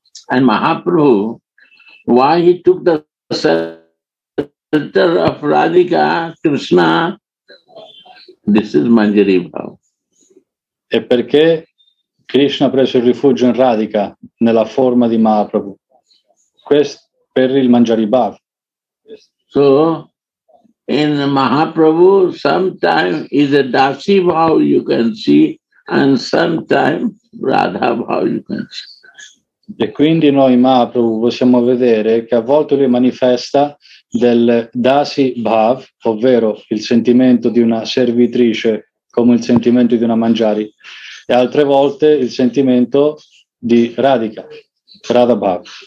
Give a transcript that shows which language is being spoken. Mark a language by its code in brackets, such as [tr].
[en] And Mahaprabhu, why he took the center of Radhika, Krishna? This is Manjari Bhav. [it] E perché Krishna ha preso il rifugio in Radhika, nella forma di Mahaprabhu? Questo per il Manjari Bhav. [en] So, in Mahaprabhu, sometimes is a Dasi Bhav you can see, and sometimes Radha Bhav you can see. [it] E quindi noi Mahaprabhu possiamo vedere che a volte lui manifesta del Dasi Bhav, ovvero il sentimento di una servitrice come il sentimento di una mangiari, e altre volte il sentimento di Radhika, Radha Bhav.